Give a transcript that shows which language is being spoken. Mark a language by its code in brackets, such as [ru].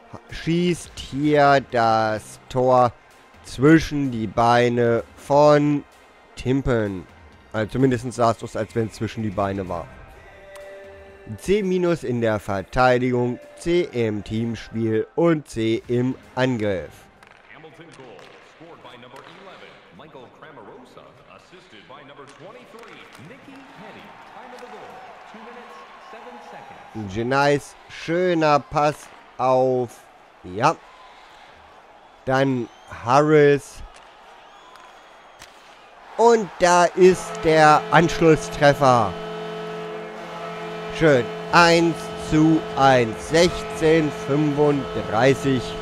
[de] Schießt hier das Tor zwischen die Beine von Timpen. Also zumindest sah es aus, als wenn es zwischen die Beine war. C- in der Verteidigung, C im Teamspiel und C im Angriff. [en] Hamilton Goal, scored by number 11, Michael Cramarosa, assisted by number 23, Nicky Penny. Time of the goal, 2 minutes, 7 seconds. [de] Genais, schöner Pass auf. Ja. Dann Harris. Und da ist der Anschlusstreffer. Schön. 1:1. 16:35.